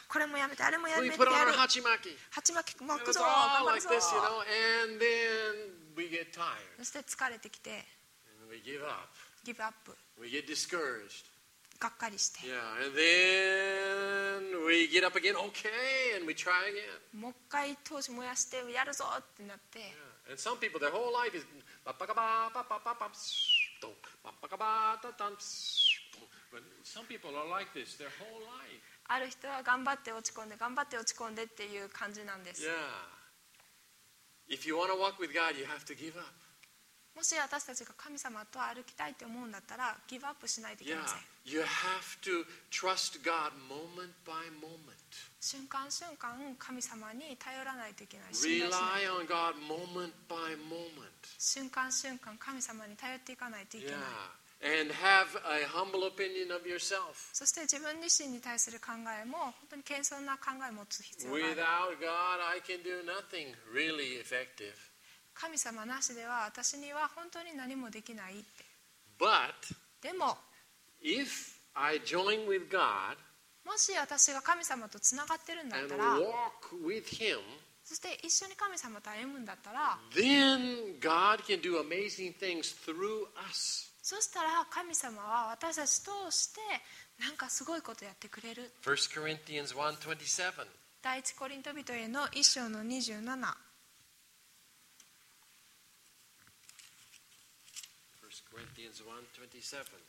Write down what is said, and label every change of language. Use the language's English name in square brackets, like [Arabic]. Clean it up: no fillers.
[Japanese] これもやめてあれもやめてやる。 [English] We put on our hachimaki. [Japanese] ハチマキ巻くぞ。頑張るぞ。 [English] It's all like this, you know. And then we get tired. [Japanese] そして疲れてきて。 [English] And we give up. Give up. We get discouraged. [Japanese] がっかりして。 [English] Yeah, and then we get up again. Okay, and we try again. [Japanese] もう一回闘志燃やしてやるぞってなって。 [English] Yeah, and some people their whole life is ba ba ba ba ba ba ba ba ba ba ta ta. But some people are like this their whole life. [Japanese] ある人は頑張って落ち込んで頑張って落ち込んでっていう感じなんです。 [English] Yeah. If you want to walk with God, you have to give up. [Japanese] もし私たちが神様と歩きたいと思うんだったらギブアップしないといけません。 [English] Yeah, you have to trust God moment by moment. [Japanese] 瞬間瞬間神様に頼らないといけない。 [English] Rely on God moment by moment. [Japanese] 瞬間瞬間神様に頼っていかないといけない。 [English] Yeah, And have a humble opinion of yourself. [Japanese] そして自分自身に対する考えも本当に謙遜な考えを持つ必要がある。 [English] Without God, I can do nothing really effective. [Japanese] 神様なしでは私には本当に何もできないって。 [English] But, [Japanese] でも、 [English] if I join with God, [Japanese] もし私が神様とつながってるんだったら、 [English] and walk with Him, [Japanese] そして一緒に神様と歩むんだったら、 [English] Then God can do amazing things through us. [Japanese] そしたら神様は私たち通してなんかすごいことやってくれる。 [English] First Corinthians 1:27. [Japanese] 第一コリント人への一章の27。 [English] First Corinthians 1:27.